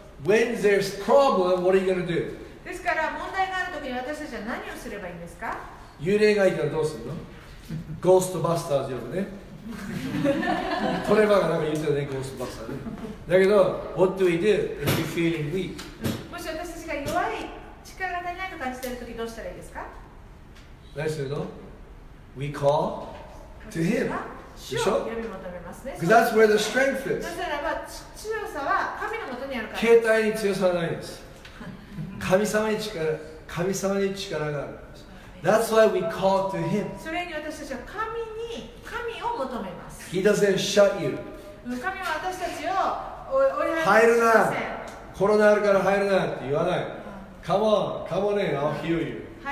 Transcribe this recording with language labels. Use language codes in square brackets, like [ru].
[en] When there's problem, what are you going to do? [ja] ですから問題があるときに私たちは何をすればいいんですか？幽霊がいたらどうするの？ゴーストバスターズ呼ぶね。トレバーがなんか言ってたね、ゴーストバスターズ。だけど、 [en] what do we do if you're feeling weak? [ja] もし私たちが弱い、力が足りないと感じているときどうしたらいいですか？何するの？ [en] We call to him. [ja] 主を呼び求めますね。 [en] Because that's where the strength is. [ja] なぜならば強さは神のもとにあるから。携帯に強さはないんです。神様に力があるんです。 [en] That's why we call to him. [ja] それに私たちは神を求めます。 [en] He doesn't shut you. [ja] 神は私たちを追い払いません。入るな。コロナあるから入るなって言わない。 [en] Come on, come on in, I'll heal you.